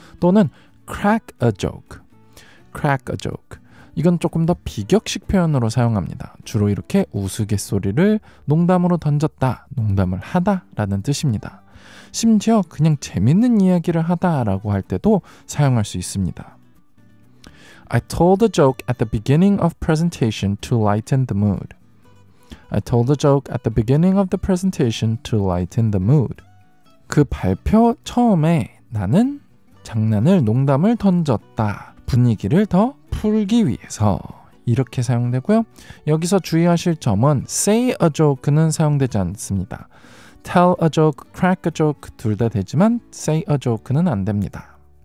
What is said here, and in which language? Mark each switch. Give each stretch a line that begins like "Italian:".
Korean: 또는
English: crack a joke. Crack a joke.
Korean: 이건 조금 더 비격식 표현으로 사용합니다. 주로 이렇게 우스갯소리를 농담으로 던졌다, 농담을 하다 라는 뜻입니다. 심지어 그냥 재밌는 이야기를 하다 라고 할 때도 사용할 수 있습니다.
English: I told a joke at the beginning of presentation to lighten the mood. I told a joke at the beginning of the presentation to lighten the mood.
Korean: 그 발표 처음에 나는 장난을, 농담을 던졌다. 분위기를 더 풀기 위해서. 이렇게 사용되고요. 여기서 주의하실 점은 say a joke는 사용되지 않습니다. tell a joke, crack a joke 둘 다 되지만 say a joke는 안 됩니다.